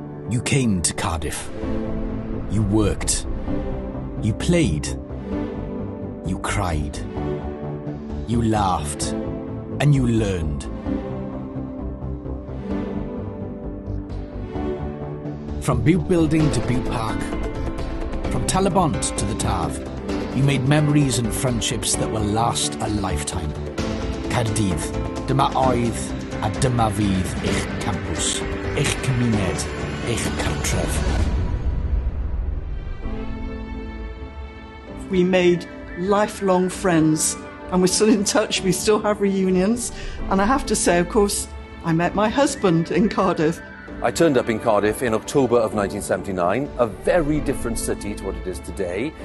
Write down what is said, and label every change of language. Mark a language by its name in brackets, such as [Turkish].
[English] You came to Cardiff. You worked. You played. You cried. You laughed. And you learned. From Bute Building to Bute Park, from Talibont to the Tav, you made memories and friendships that will last a lifetime. [Welsh] Caerdydd, dyma oedd a dyma fydd eich campws, eich cymuned, eich cartref. [English] We made lifelong friends and we're still in touch, we still have reunions. And I have to say, of course, I met my husband in Cardiff. I turned up in Cardiff in October of 1979, a very different city to what it is today.